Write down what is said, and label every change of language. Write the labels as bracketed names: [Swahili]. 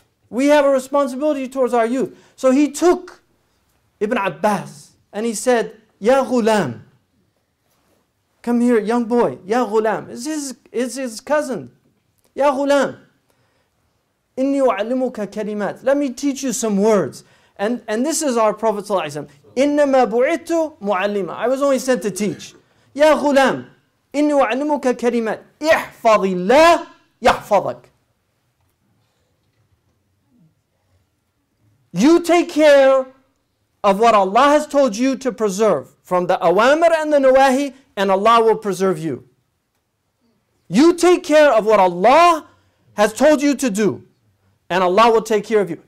[English] We have a responsibility towards our youth. So he took Ibn Abbas and he said, [Arabic] Ya Ghulam, [English] come here, young boy. [Arabic] Ya Ghulam, [English] it's his cousin. [Arabic] Ya Ghulam, inni u'allimuka kalimat. [English] Let me teach you some words. And this is our Prophet sallallahu alaihi wasallam. [Arabic] Innama bu'ittu mu'allima. [English] I was only sent to teach. [Arabic] Ya Ghulam, إني أعلمك كلمة احفظ الله يحفظك. [English] You take care of what Allah has told you to preserve from the awamir and the nawahi, and Allah will preserve you. You take care of what Allah has told you to do, and Allah will take care of you.